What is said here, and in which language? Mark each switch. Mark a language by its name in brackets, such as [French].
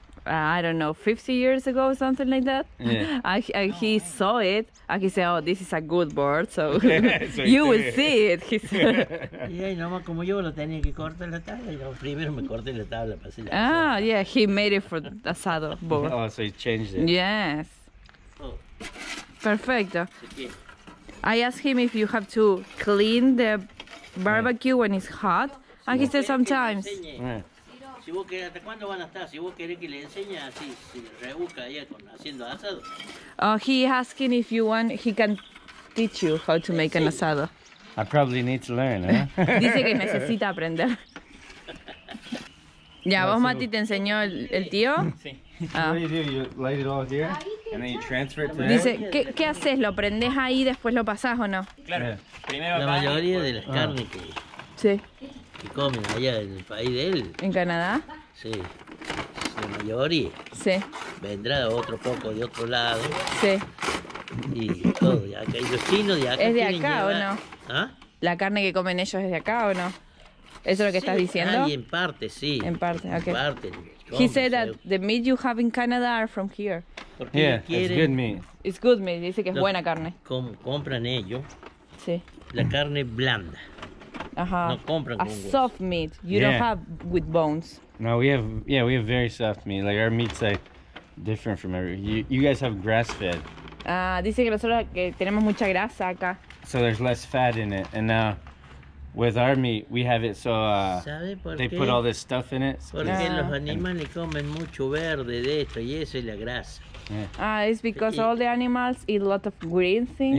[English] I don't know, 50 years ago, something like that. Yeah. And he saw it, and he said, oh, this is a good board, so you will see it. He said. [Spanish] Yeah, nomás como yo lo tenía que cortar la tabla, yo primero me corté la tabla para hacer la Ah, sopa. [English] Yeah, he made it for the asado board. Oh, so he changed it. Yes. Perfecto. I asked him if you have to clean the barbecue when it's hot, and he said sometimes. Yeah. [Spanish] Si vos querés, ¿hasta cuándo van a estar? Si vos querés que le enseñe así, si rebusca ahí haciendo asado. [English] Oh, he asking if you want, he can teach you how to make an asado. I probably need to learn, ¿eh? [Spanish] Dice que necesita aprender. Ya, vos Mati te enseñó el tío. Sí. [English] What do you do? You light it all here and then you transfer it to [Spanish] there. Dice, ¿qué haces? ¿Lo prendés ahí y después lo pasás o no? Claro. Yeah. Primero la mayoría de las carnes que... Sí. Que comen allá en el país de él. ¿En Canadá? Sí. La mayoría. Sí. Vendrá otro poco de otro lado. Sí. Y todo de acá. Y los chinos de acá. ¿Es de acá o no? ¿Ah? ¿La carne que comen ellos es de acá o no? ¿Eso es lo que estás diciendo? Sí, en parte, sí. En parte, ok. En parte. [English] He said that the meat you have in Canada are from here. Yeah, it's good meat. It's good meat. [Spanish] Dice que es buena carne. Compran ellos. Sí. La carne blanda. Uh-huh. No compran con a huesos. [English] Soft meat. You don't have with bones. No, we have very soft meat. Like our meat's like different from every. You guys have grass fed. [Spanish] Dice que nosotros que tenemos mucha grasa acá. [English] So there's less fat in it. And now with our meat, we have it so they put all this stuff in it. [Spanish] Porque los animales comen mucho verde de esto y eso es la grasa. [English] Yeah. It's because all the animals eat a lot of green things,